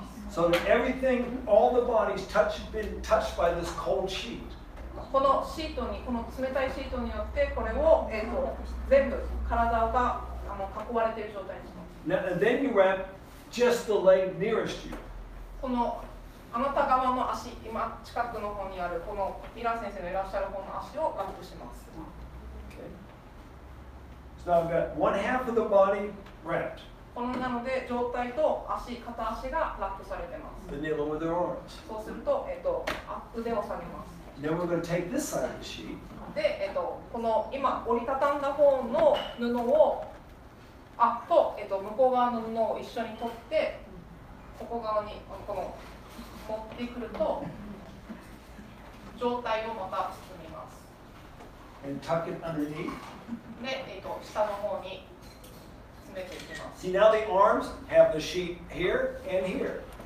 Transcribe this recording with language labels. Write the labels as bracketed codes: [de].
[en] So that everything, all the body's been touched by this cold sheet. [ja] このシートに、この冷たいシートによってこれを、全部体が囲われている状態にします。 [en] Now, and then you wrap just the leg nearest you. [ja] このあなた側の足、今近くの方にあるこのミラー先生のいらっしゃる方の足をラップします。 [en] Okay. So I've got one half of the body wrapped. [ja] このなので上体と足、片足がラップされてます。 [en] Then kneel with your arms. [ja] そうすると、腕を下げます。 [en] Then we're going to take this side of the sheet. [ja] で、この今折りたたんだ方の布を、向こう側の布を一緒に取って、ここ側にこの持ってくると、上体をまた包みます。 [en] And tuck it underneath. [ja] で、下の方に詰めていきます。 [en] See, now the arms have the sheet here and here.